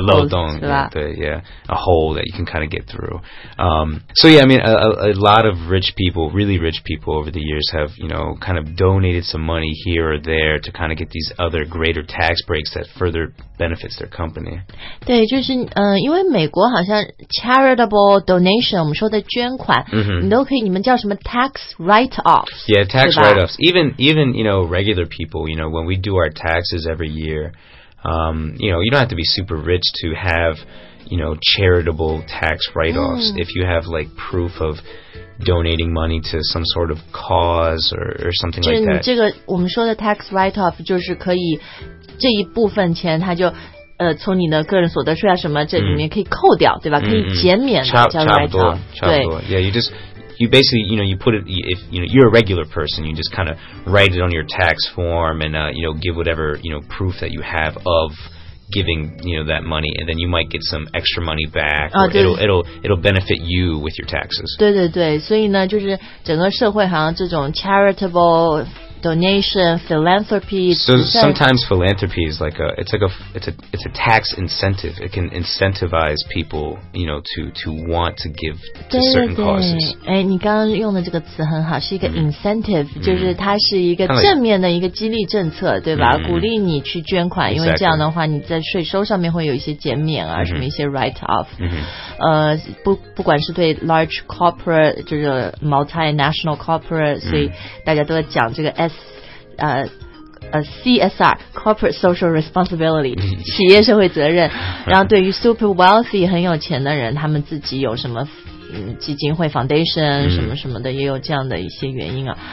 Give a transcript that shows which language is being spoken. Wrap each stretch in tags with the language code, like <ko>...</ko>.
<zh>漏洞是吧</zh> <en>yeah, 对 yeah a hole that you can kind of get through so yeah I mean a lot of rich people really rich people over the years have you know kind of donated some money here or there to kind of get these other greater tax breaks that further benefits their company</en> <zh>对就是因为美国好像charitable donation 我们说的捐款、你都可以你们叫什么 tax write-offs</zh> <en>yeah tax write-offs even you know regular people you know when we do our taxes every year you know you don't have to be super rich to have you know charitable tax write-offs、if you have like proof of donating money to some sort of cause or something like that</en> <zh>这个我们说的 tax write-off 就是可以这一部分钱它就从你的个人所得税啊什么这里面可以扣掉对吧可以减免差不多</zh> <en>yeah you just you basically you know you put it if you know you're a regular person you just kind of write it on your tax form and you know give whatever you know proof that you have of giving you know that money and then you might get some extra money back or、it'll benefit you with your taxes</en> <zh>对对对所以呢就是整个社会好像这种 charitable donation philanthropy</zh> <en>so sometimes philanthropy is like a it's a tax incentive it can incentivize people you know to want to give to</en> <zh>对对对</zh> <en>certain causes</en> <zh>哎你刚刚用的这个词很好是一个 incentive、就是它是一个正面的一个激励政策对吧、鼓励你去捐款、因为这样的话你在税收上面会有一些减免啊、什么一些 write off、不管是对 large corporate 就是 multinational corporate、所以大家都在讲这个CSR Corporate Social Responsibility 企业社会责任然后对于 super wealthy 很有钱的人他们自己有什么、基金会 foundation 什么什么的也有这样的一些原因啊。</zh>